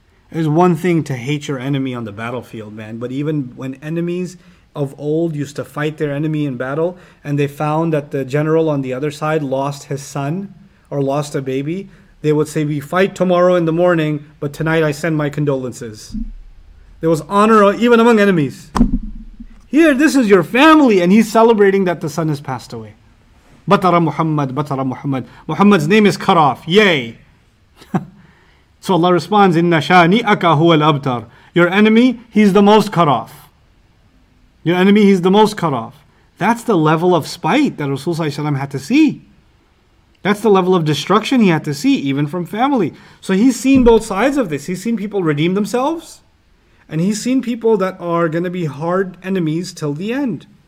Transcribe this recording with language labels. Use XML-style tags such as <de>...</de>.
<en>It's one thing to hate your enemy on the battlefield, man. But even when enemies of old used to fight their enemy in battle, and they found that the general on the other side lost his son or lost a baby, they would say, "We fight tomorrow in the morning, but tonight I send my condolences." There was honor even among enemies. Here, this is your family, and he's celebrating that the son has passed away. Batara Muhammad, Batara Muhammad. Muhammad's name is cut off. Yay!</en> <ar>So Allah responds, إِنَّ شَانِئَكَ هُوَ الْأَبْتَرِ.</ar> <en>Your enemy, he's the most cut off. Your enemy, he's the most cut off. That's the level of spite that Rasulullah ﷺ had to see. That's the level of destruction he had to see, even from family. So he's seen both sides of this. He's seen people redeem themselves, and he's seen people that are going to be hard enemies till the end.</en>